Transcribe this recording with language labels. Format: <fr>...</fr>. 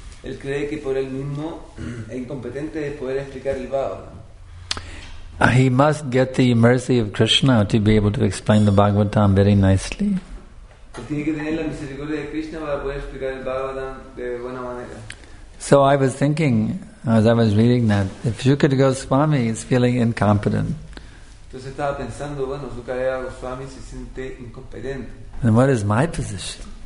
<es>Él cree que por él mismo es incompetente de poder explicar el Bhagavatam.</es> <en>He must get the mercy of Krishna to be able to explain the Bhagavatam very nicely.</en> <es>Él tiene que tener la misericordia de Krishna para poder explicar el Bhagavatam de buena manera.</es> <en>So I was thinking, as I was reading that, if Shukadev Goswami is feeling incompetent,</en> <es>entonces estaba pensando, bueno, Shukadev Goswami se siente incompetente.</es> <en>Then what is my position?</en>